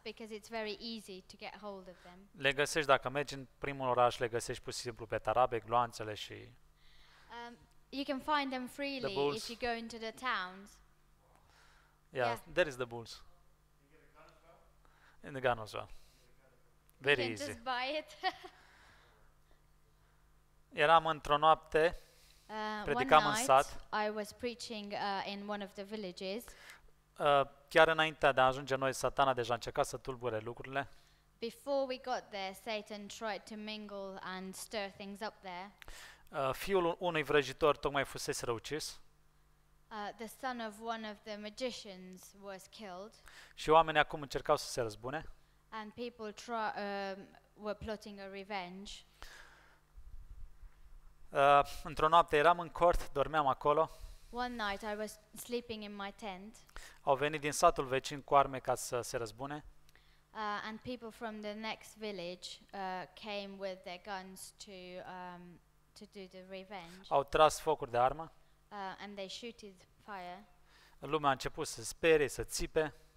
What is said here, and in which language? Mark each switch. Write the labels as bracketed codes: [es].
[en] because it's very easy to get hold of them. [ro] Le găsești dacă mergi în primul oraș, le găsești pur și simplu pe tarabe, gloanțele și [en] you can find them freely the if you go into the towns. Yeah, yeah, there is the bulls. In the gun as well. Very you can easy. Just buy it. [ro] Eram într-o noapte. Predicam [en] one night, [ro] în sat. [en] I was preaching in one of the villages. [ro] Chiar înaintea de a ajunge noi, Satana deja încerca să tulbure lucrurile. [en] Before we got there, Satan tried to mingle and stir things up there. [ro] Fiul unui vrăjitor tocmai fusese răucis. [en] The son of one of the magicians was killed. [ro] Și oamenii acum încercau să se răzbune. [en] And people were plotting a revenge. [ro] Într-o noapte eram în cort, dormeam acolo. [en] One night I was sleeping in my tent. [ro] Au venit din satul vecin cu arme ca să se răzbune. [en] And people from the next village came with their guns to do the revenge. [ro] Au tras focuri de armă. [en] And they shooted fire. [ro] Lumea a început să spere, să țipe.